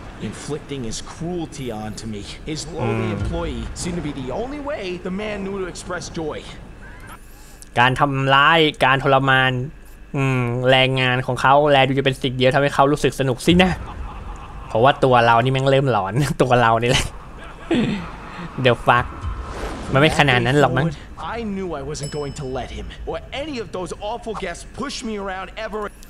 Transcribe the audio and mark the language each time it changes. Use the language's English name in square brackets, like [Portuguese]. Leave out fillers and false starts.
[English] Inflicting his cruelty onto me, his lowly employee seemed to be the only way the man knew to express joy. [Thai] การทำร้ายการทรมานแรงงานของเขาแลดูจะเป็นสิ่งเดียวทำให้เขารู้สึกสนุกสินะเพราะว่าตัวเรานี่แม่งเริ่มหลอนตัวเรานี่แหละเดี๋ยวฟักมันไม่ขนาดนั้นหรอกมั้ง [English] I knew I wasn't going to let him or any of those awful guests push me around ever